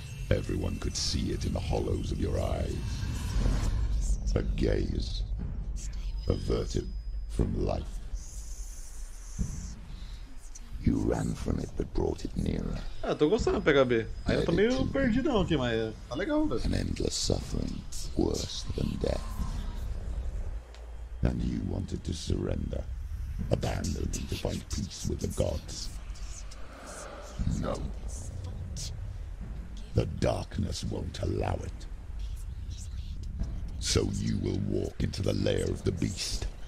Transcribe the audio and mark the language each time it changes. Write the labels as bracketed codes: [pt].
[en] Everyone could see it in the hollows of your eyes. A gaze averted from life. You ran from it but brought it nearer. [pt] Ah, tô gostando do PHB. Aí eu tô meio perdido aqui, mas tá legal, velho. [en] An endless suffering worse than death. And you wanted to surrender, abandoned to find peace with the gods. No. The darkness won't allow it. So you will walk into the lair of the beast.